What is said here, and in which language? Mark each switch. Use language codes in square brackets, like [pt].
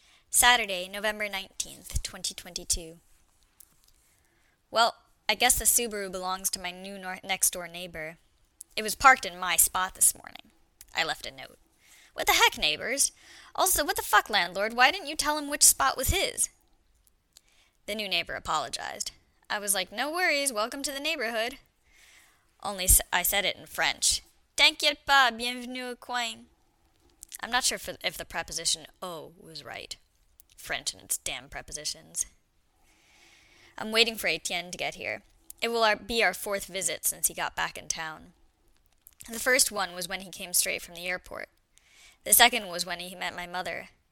[en] Saturday, November 19th, 2022. Well, I guess the Subaru belongs to my new next-door neighbor. It was parked in my spot this morning. I left a note. What the heck, neighbors? Also, what the fuck, landlord? Why didn't you tell him which spot was his? The new neighbor apologized. I was like, no worries, welcome to the neighborhood. Only I said it in French. [fr] T'inquiète pas, bienvenue au coin. [en] I'm not sure if the preposition au was right. French and its damn prepositions. I'm waiting for Etienne to get here. It will be our fourth visit since he got back in town. The first one was when he came straight from the airport. The second was when he met my mother.